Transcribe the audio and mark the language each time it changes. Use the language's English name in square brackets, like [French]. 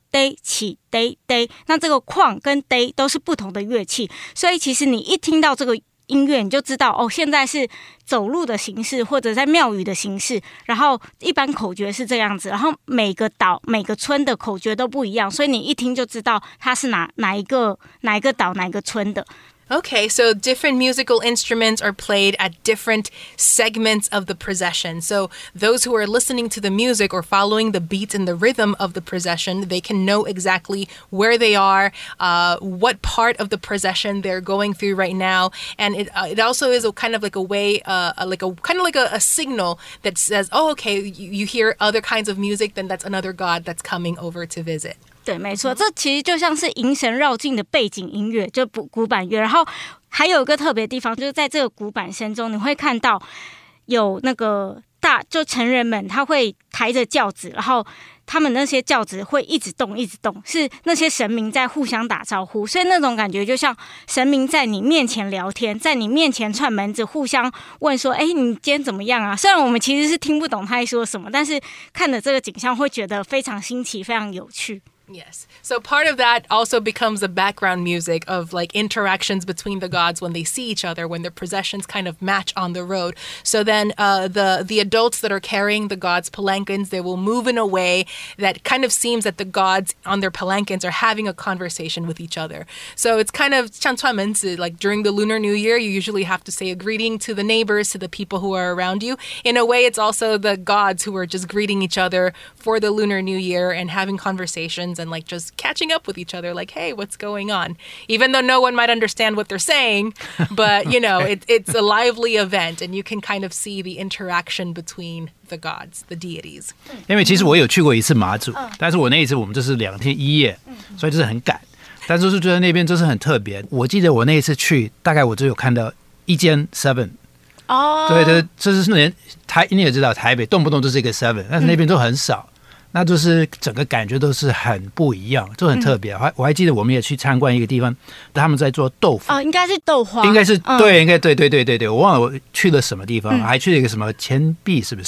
[Chinese] day 起 day day， 那这个矿跟 day 都是不同的乐器，所以其实你一听到这个音乐，你就知道哦，现在是走路的形式或者在庙宇的形式，然后一般口诀是这样子，然后每个岛每个村的口诀都不一样，所以你一听就知道它是哪一个岛哪一个村的。 [English] Okay, so different musical instruments are played at different segments of the procession. So those who are listening to the music or following the beat and the rhythm of the procession, they can know exactly where they are, what part of the procession they're going through right now. And it also is a kind of like a way, a signal that says, oh, okay, you hear other kinds of music, then that's another god that's coming over to visit. [Chinese] 对，没错，这其实就像是迎神绕境的背景音乐，就鼓板乐。然后还有一个特别地方，就是在这个鼓板声中，你会看到有那个大，就成人们他会抬着轿子，然后他们那些轿子会一直动，一直动，是那些神明在互相打招呼，所以那种感觉就像神明在你面前聊天，在你面前串门子，互相问说：“哎，你今天怎么样啊？” 虽然我们其实是听不懂他在说什么，但是看着这个景象会觉得非常新奇，非常有趣。 [English] Yes. So part of that also becomes the background music of like interactions between the gods when they see each other, when their processions kind of match on the road. So then the adults that are carrying the gods' palanquins, they will move in a way that kind of seems that the gods on their palanquins are having a conversation with each other. So it's kind of [Chinese] 像串门子, [English] like during the Lunar New Year, you usually have to say a greeting to the neighbors, to the people who are around you. In a way, it's also the gods who are just greeting each other for the Lunar New Year and having conversations. And like just catching up with each other, like, hey, what's going on? Even though no one might understand what they're saying, but you know, it's a lively event, and you can kind of see the interaction between the gods, the deities. Because actually, I've been to Matsu once, but that time we were 2 days 1夜, so it was very busy. But just that there was very special. I remember that time I only saw one 7. [Chinese] 对，这是连台你也知道台北动不动就是一个 seven， 但是那边都很少，那就是整个感觉都是很不一样，就很特别。我还记得我们也去参观一个地方，他们在做豆腐啊，应该是豆花，应该是对，应该对，我忘了我去了什么地方，还去了一个什么钱币，是不是